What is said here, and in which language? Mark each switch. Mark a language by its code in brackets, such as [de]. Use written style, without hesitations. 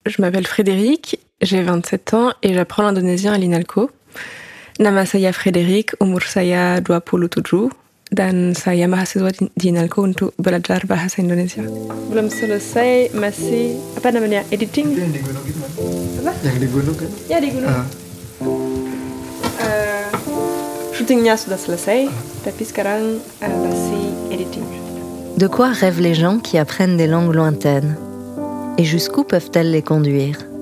[fr] Je m'appelle Frédéric, j'ai 27 ans et j'apprends l'indonésien à l'INALCO. [id] Nama saya Frédéric, umur saya 20 tahun dan saya mahasiswa di INALCO untuk belajar bahasa Indonesia. Belum selesai masih apa namanya? Editing. Itu yang di gunung gitu kan. Apa? Yang di gunung kan? Ya di gunung. Shootingnya sudah selesai, tapi sekarang masih editing. [fr] De quoi rêvent les gens qui apprennent des langues lointaines? Et jusqu'où peuvent-elles les conduire?